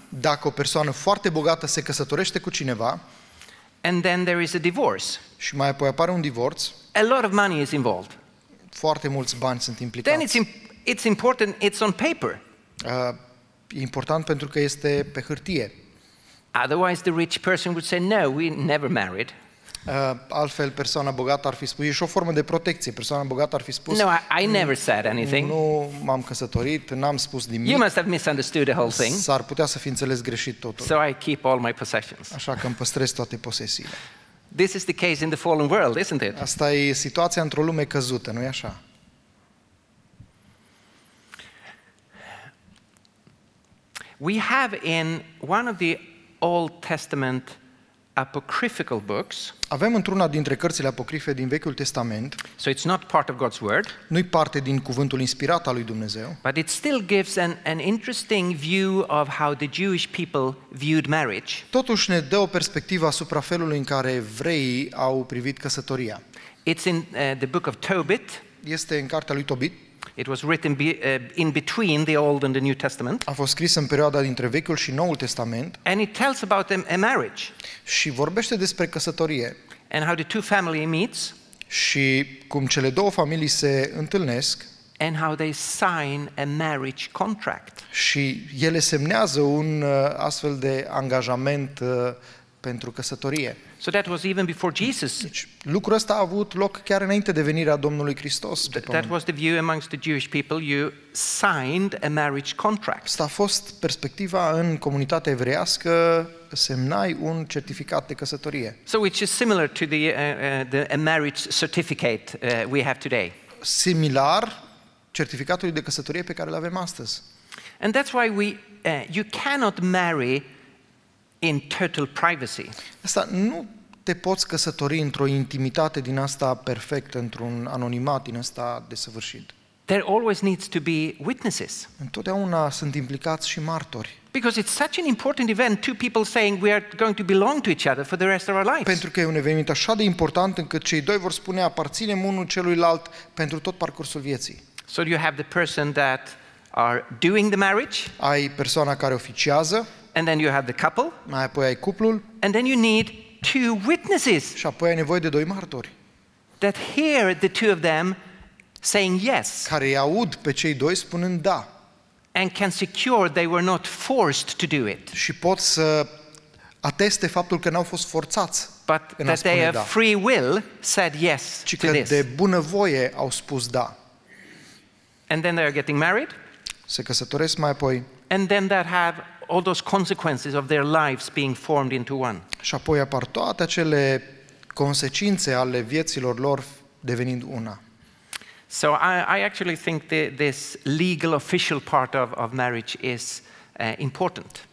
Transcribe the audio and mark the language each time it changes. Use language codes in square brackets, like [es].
[ro] dacă o persoană foarte bogată se căsătorește cu cineva, [en] and then there is a divorce, [ro] și mai apoi apare un divorț, [en] a lot of money is involved. [ro] Foarte mulți bani sunt implicați. [en] Then it's important, it's on paper. [ro] E important pentru că este pe hârtie. [en] Otherwise the rich person would say no, we never married. [ro] Altfel persoana bogată ar fi spus, e și o formă de protecție. Persoana bogată ar fi spus, [en] no, I never said anything. [ro] Nu m-am căsătorit, n-am spus nimic. [en] You must have misunderstood the whole thing. [ro] S-ar putea să fi înțeles greșit totul. [en] So I keep all my possessions. [ro] Așa că îmi păstrez toate posesiile. [en] This is the case in the fallen world, isn't it? [ro] Asta e situația într-o lume căzută, nu e așa? [en] We have in one of the Old Testament apocryphal books. [ro] Avem într-una dintre cărțile apocrife din Vechiul Testament. [en] So it's not part of God's word. [ro] Nu e parte din cuvântul inspirat al lui Dumnezeu. [en] But it still gives an interesting view of how the Jewish people viewed marriage. [ro] Totuși ne dă o perspectivă asupra felului în care evreii au privit căsătoria. [en] It's in the book of Tobit. [ro] Este în cartea lui Tobit. [en] It was written in between the Old and the New Testament. [ro] A fost scris în perioada dintre Vechiul și Noul Testament. [en] And it tells about a marriage. [ro] Și vorbește despre căsătorie. [en] And how the two families meet. [ro] Și cum cele două familii se întâlnesc. [en] And how they sign a marriage contract. [ro] Și ele semnează un astfel de angajament pentru căsătorie. [en] So that was even before Jesus. [ro] Deci, lucrul ăsta a avut loc chiar înainte de venirea Domnului Hristos pe pământ. [en] That was the view amongst the Jewish people. You signed a marriage contract. [ro] Asta a fost perspectiva în comunitatea evreiască, semnai un certificat de căsătorie. [en] So which is similar to the marriage certificate we have today. [ro] Similar certificatului de căsătorie pe care îl avem astăzi. [en] And that's why you cannot marry in total privacy. [ro] Asta nu te poți căsători într-o intimitate din asta perfectă, într-un anonimat din asta desăvârșit. [en] There always needs to be witnesses. [ro] Întotdeauna sunt implicați și martori. [en] Because it's such an important event, two people saying we are going to belong to each other for the rest of our lives. [ro] Pentru că e un eveniment așa de important încât cei doi vor spune aparținem unul celuilalt pentru tot parcursul vieții. [en] So you have the person that are doing the marriage? [ro] Ai persoana care oficiază? [en] And then you have the couple? [ro] Mai apoi ai cuplul? [en] And then you need two witnesses. [ro] Și apoi ai nevoie de doi martori. [en] That hear the two of them saying yes. [ro] Care îi aud pe cei doi spunând da. [en] And can secure they were not forced to do it. [ro] Și pot să ateste faptul că n-au fost forțați. [en] But that they have free will said yes to this. [ro] Ci că de bună voie au spus da. [en] And then they are getting married. [ro] Se căsătoresc mai apoi. [en] And then that have all those consequences of their lives being formed into one. [ro] Și apoi apar toate acele consecințe ale vieților lor devenind una. [en] So I actually think that this legal official part of marriage is important.